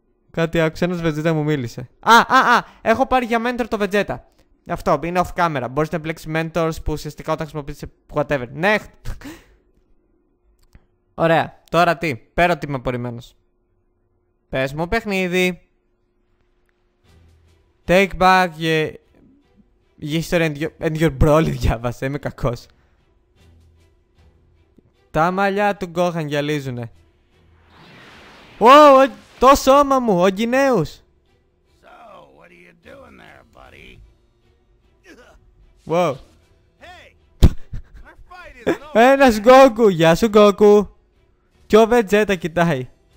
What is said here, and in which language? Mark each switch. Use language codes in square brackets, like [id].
[el] Κάτι άκουσε, ένας Vegeta μου μίλησε. Α, έχω πάρει για mentor το Vegeta. Αυτό, είναι off camera. Μπορείς να επιλέξεις mentors που ουσιαστικά όταν χρησιμοποιείς [en] whatever. Next. [el] Ωραία, τώρα τι, πέρα ότι είμαι απορριμμένος. Πες μου παιχνίδι. [en] Take back your history and your brawl, [el] διάβασε, είμαι κακός. Τα μαλλιά του Gohan γυαλίζουνε. Wow, το σώμα μου, ο Γκυναίους. [en] So, what are you doing there, buddy? Wow. [el] Hey, ένας Goku, γεια σου Goku. Και ο Vegeta κοιτάει.